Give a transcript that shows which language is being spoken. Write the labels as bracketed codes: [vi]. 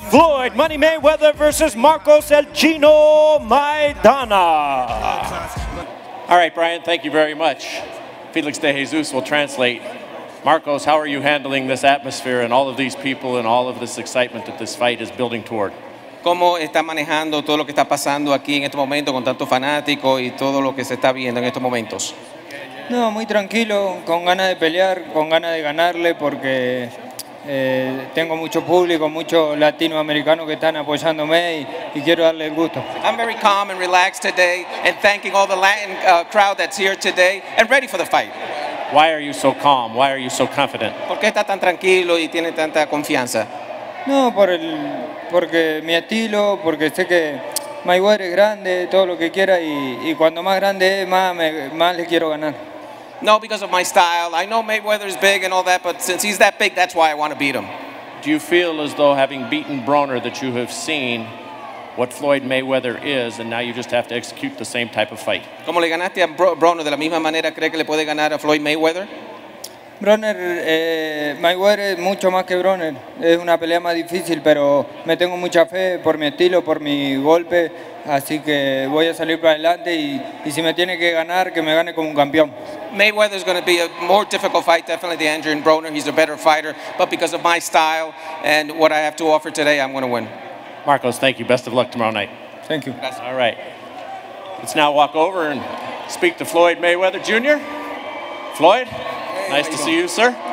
[en] Floyd Money Mayweather versus Marcos El Chino Maidana. All right, Brian, thank you very much. Felix de Jesus will translate. Marcos, how are you handling this atmosphere and all of these people and all of this excitement that this fight is building toward? [es] cómo está manejando todo lo que está pasando aquí en este momento con tantos fanáticos y todo lo que se está viendo en estos momentos? No, muy tranquilo, con ganas de pelear, con ganas de ganarle, porque tengo mucho público, muchos latinoamericanos que están apoyándome y quiero darle el gusto. [en] I'm very calm and relaxed today, and thanking all the Latin crowd that's here today and ready for the fight. Why are you so calm? Why are you so confident? [es] ¿Por qué está tan tranquilo y tiene tanta confianza? No, porque mi estilo, porque sé que Mayweather es grande, todo lo que quiera, y cuando más grande es, más le quiero ganar. [en] No, because of my style. I know Mayweather is big and all that, but since he's that big, that's why I want to beat him. Do you feel as though having beaten Broner that you have seen what Floyd Mayweather is, and now you just have to execute the same type of fight? [es] ¿Cómo le ganaste a Broner? ¿De la misma manera cree que le puede ganar a Floyd Mayweather? Broner, Mayweather es mucho más que Broner. Es una pelea más difícil, pero me tengo mucha fe por mi estilo, por mi golpe. Así que voy a salir para adelante y si me tiene que ganar, que me gane como un campeón. [en] Mayweather is going to be a more difficult fight, definitely, than Andrew and Broner. He's a better fighter, but because of my style and what I have to offer today, I'm going to win. Marcos, thank you. Best of luck tomorrow night. Thank you. All right. Let's now walk over and speak to Floyd Mayweather Jr. Floyd? Nice to see you, sir.